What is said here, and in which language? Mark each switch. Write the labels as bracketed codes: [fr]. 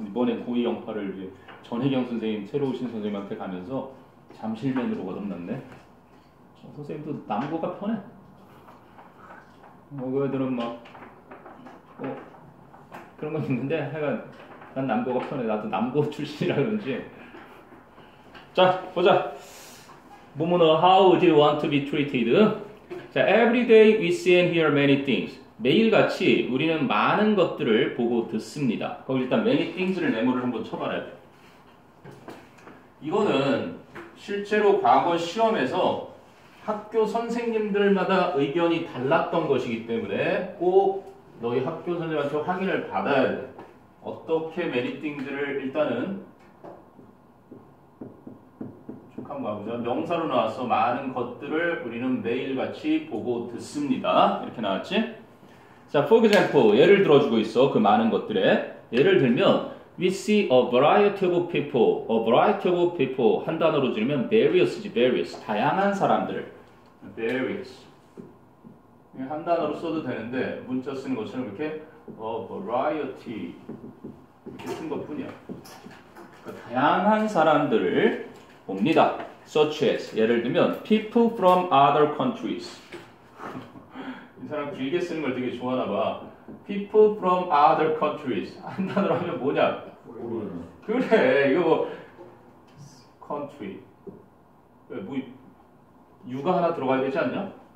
[ko] 이번에 고2 영파를 이제 전혜경 선생님 새로 오신 선생님한테 가면서 잠실맨으로 거듭났네. 선생님도 남고가 편해. 그 애들은 막 그런 건 있는데 하여간 난 남고가 편해. 나도 남고 출신이라 그런지. 자 보자. [en] 문문어 How would you want to be treated? 자, every day we see and hear many things. [ko] 매일같이 우리는 많은 것들을 보고 듣습니다. 거기 일단 many things를 네모를 한번 쳐봐라. 이거는 실제로 과거 시험에서 학교 선생님들마다 의견이 달랐던 것이기 때문에 꼭 너희 학교 선생님한테 확인을 받아야 돼. 어떻게 many things를 일단은 쭉 한번 가보자. 명사로 나와서 많은 것들을 우리는 매일같이 보고 듣습니다. 이렇게 나왔지? 자, [en] for example, [ko] 예를 들어주고 있어. 그 많은 것들에. 예를 들면, [en] we see a variety of people. a variety of people. [ko] 한 단어로 줄이면 various지, various. 다양한 사람들. various. 한 단어로 써도 되는데, 문자 쓰는 것처럼 이렇게 a variety. 이렇게 쓴 것 뿐이야. 그러니까 다양한 사람들을 봅니다. [en] such as, [ko] 예를 들면, [en] people from other countries. [ko] 이 사람 길게 쓰는 걸 되게 좋아하나 봐. [en] People from other countries. [ko] 한 단어로 하면 뭐냐? 그래, 이거 뭐 country. 왜, 뭐 유가 하나 들어가야 되지 않냐?